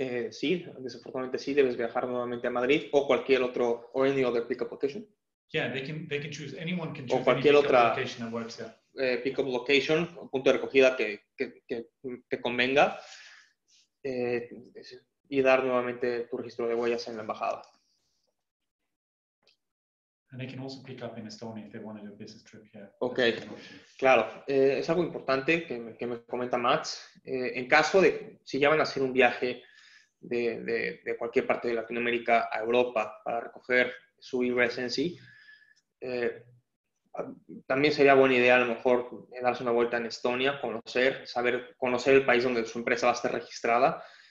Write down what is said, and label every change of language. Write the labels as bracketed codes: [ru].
[es] Sí, desafortunadamente sí, debes viajar nuevamente a Madrid o cualquier otro, [en] or any other pickup location. Yeah, they can choose. Anyone can choose any pickup location that works. Yeah. Pickup location, [es] punto de recogida que convenga, y dar nuevamente tu registro de huellas en la embajada. [en] And they can also pick up in Estonia if they want to do a business trip here. [es] Okay, claro. Es algo importante que me comenta Max. En caso de si ya van a hacer un viaje de cualquier parte de Latinoamérica a Europa para recoger su e-residency. También sería buena idea a lo mejor darse una vuelta en Estonia, conocer el país donde su empresa va a estar registrada.